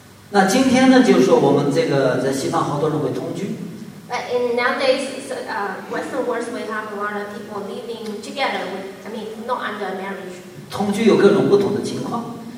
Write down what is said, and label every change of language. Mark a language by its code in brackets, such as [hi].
[zh] 那今天呢，就是说我们这个在西方好多人会同居。 [en] But in nowadays, Western world, we have a lot of people living together. With, I mean, not under marriage. [zh] 同居有各种不同的情况。